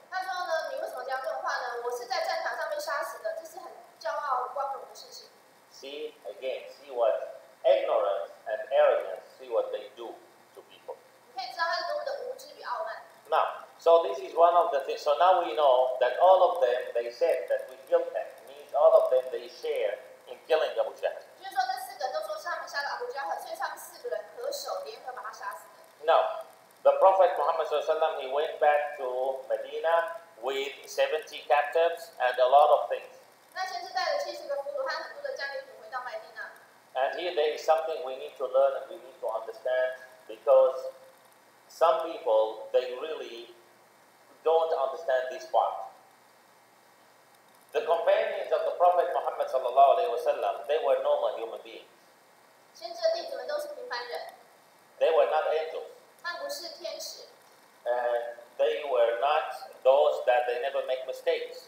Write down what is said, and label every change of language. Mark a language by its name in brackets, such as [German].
[Chinese] 他说呢，你为什么讲这种话呢？我是在战场上面杀死的，这是很骄傲光荣的事情。 [English] See again, see what ignorance and arrogance, see what they do to people. [Chinese] 你可以知道他是多么的无知与傲慢。 [English] Now, so this is one of the things. So now we know that all of them, they said that we killed them. Means all of them, they share in killing Abu Jahl. [Chinese] 就是说，这四个人都说是他们杀了Abu Jahl，所以他们四个人合手联合把他杀死的。 [English] Now, the Prophet Muhammad SAW, he went back to Medina with 70 captives and a lot of things. [Chinese] 那先是带了70个俘虏和很多的战利品回到麦地那。 [English] And here there is something we need to learn and we need to understand, because some people, they really don't understand this part. The companions of the Prophet Muhammad sallallahu alaihi wasallam, they were normal human beings. [Chinese] 先知的弟子们都是平凡人。 [English] They were not angels. [Chinese] 他们不是天使。 [English] And they were not those that they never make mistakes.